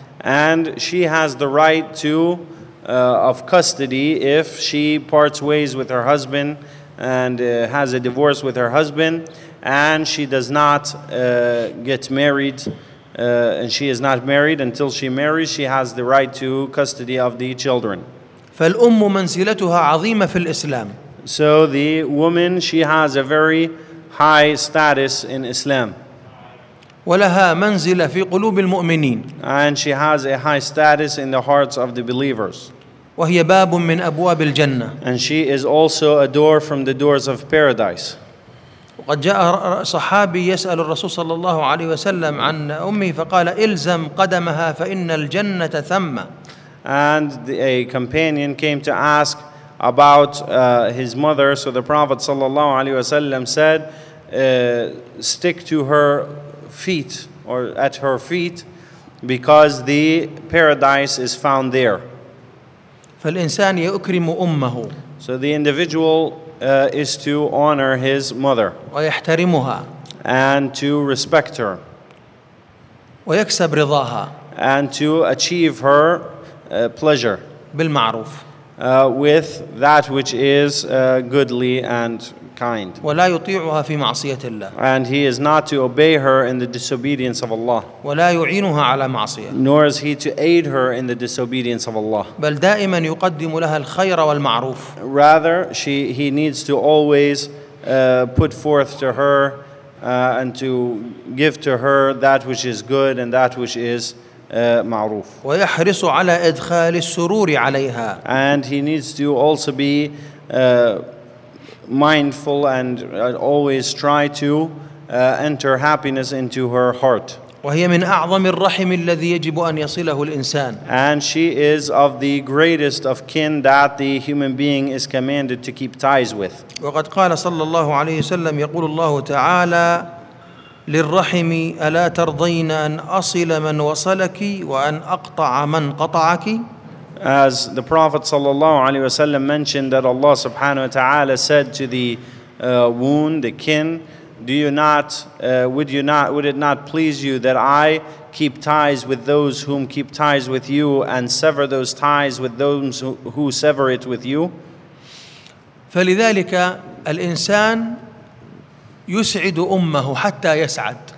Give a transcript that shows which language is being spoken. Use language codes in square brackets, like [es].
[en] And she has the right to of custody if she parts ways with her husband and has a divorce with her husband and she does not get married and she is not married until she marries, she has the right to custody of the children. [ar] فالأم منزلتها عظيمة في الإسلام. [en] So the woman, she has a very high status in Islam. [ar] ولها منزلة في قلوب المؤمنين. [en] And she has a high status in the hearts of the believers. [ar] وهي باب من أبواب الجنة. [en] And she is also a door from the doors of paradise. [ar] وقد جاء صحابي يسأل الرسول صلى الله عليه وسلم عن أمه فقال إلزم قدمها فإن الجنة ثم. [en] And a companion came to ask about his mother. So the Prophet ﷺ said, stick to her feet or at her feet because the paradise is found there. [ar] فالإنسان يكرم أمه. [en] So the individual is to honor his mother. [ar] ويحترمها. [en] And to respect her. [ar] ويكسب رضاها. [en] And to achieve her pleasure [ar] بالمعروف. [en] With that which is goodly and kind. [ar] ولا يطيعها في معصية الله. [en] And he is not to obey her in the disobedience of Allah. [ar] ولا يعينها على معصية. [en] Nor is he to aid her in the disobedience of Allah. [ar] بل دائما يقدم لها الخير والمعروف. [en] Rather, he needs to always put forth to her and to give to her that which is good and that which is معروف. [ar] ويحرص على إدخال السرور عليها. [en] And he needs to also be mindful and always try to enter happiness into her heart. [ar] وهي من أعظم الرحم الذي يجب أن يصله الإنسان. [en] And she is of the greatest of kin that the human being is commanded to keep ties with. [ar] وقد قال صلى الله عليه وسلم يقول الله تعالى للرحم ألا ترضين أن أصل من وصلك وأن أقطع من قطعك. [en] As the Prophet [ar] صلى الله عليه وسلم [en] mentioned that Allah subhanahu wa ta'ala said to the wound, the kin, would it not please you that I keep ties with those whom keep ties with you and sever those ties with those who sever it with you. [ar] فلذلك الإنسان يسعد أمه حتى يسعد.